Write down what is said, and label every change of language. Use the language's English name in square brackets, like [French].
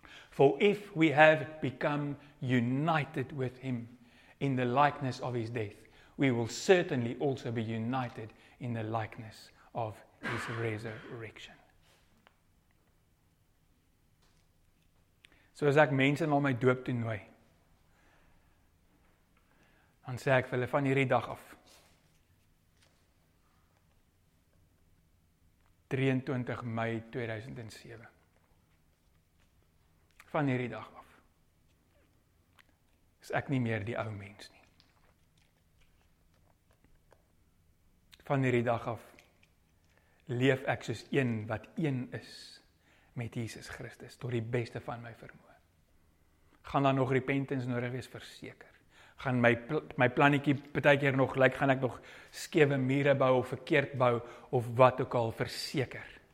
[English] For if we have become united with him in the likeness of his death, we will certainly also be united in the likeness of his resurrection. [Afrikaans] Soos ek mense na my doop toe nooi, dan sê ek vir hulle van hierdie dag af, 23 Mei 2007, van hierdie dag af, is ek nie meer die ou mens nie. Van hierdie dag af, leef ek soos een wat een is met Jesus Christus, tot die beste van my vermoë. Gaan daar nog repentance nodig wees, verseker. Gaan my, my plannetjie baie keer nog, like, gaan ek nog skewe mure bou, of verkeerd bou, of wat ook al, verseker.